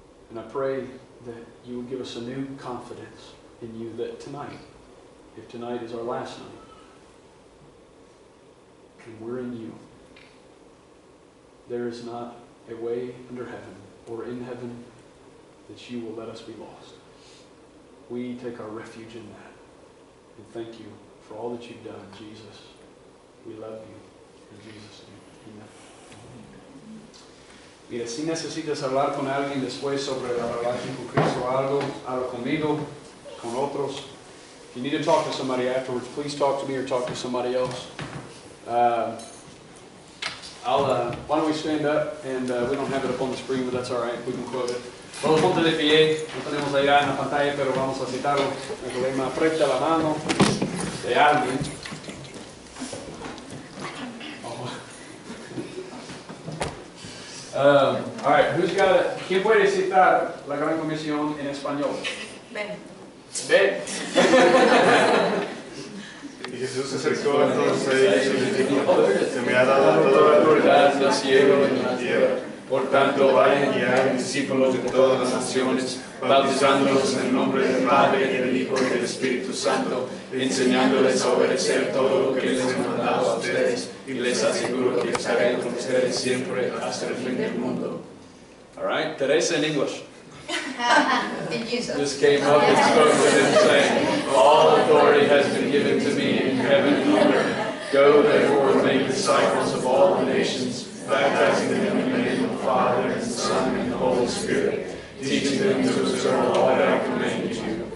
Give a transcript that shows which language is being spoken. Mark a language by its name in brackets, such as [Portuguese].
[English] And I pray that you would give us a new confidence in you that tonight, if tonight is our last night, and we're in you, there is not a way under heaven or in heaven that you will let us be lost. We take our refuge in that. And thank you for all that you've done, Jesus. We love you. In Jesus' name, amen. [Spanish] Mira, si necesitas hablar con alguien después sobre la relación con Cristo o algo, habla conmigo, con otros. [English] If you need to talk to somebody afterwards, please talk to me or talk to somebody else. Why don't we stand up, and we don't have it up on the screen, but that's all right, we can quote it. [Spanish] Todo ponte de pie, no tenemos allá en la pantalla, pero vamos a citarlo. El problema, aprieta la mano de alguien. [English] All right, who's got it? [Spanish] ¿Quién puede citar la Gran Comisión en español? [English] Ben. [Spanish] Y Jesús se acercó a todos ellos y les dijo, se me ha dado toda la autoridad en el cielo y en la tierra. Por tanto, vayan y hagan discípulos de todas las naciones, bautizándolos en el nombre del Padre y del Hijo y del Espíritu Santo, enseñándoles a obedecer todo lo que les he mandado a ustedes, y les aseguro que estaré con ustedes siempre hasta el fin del mundo. [English] All right, Teresa [Spanish] en inglés. [English] Jesus. Just came up and spoke with him, saying, all authority has been given to me in heaven and on earth. Go, therefore, and make disciples of all the nations, baptizing them in the name of the Father, and the Son, and the Holy Spirit, teaching them to observe all that I commanded you.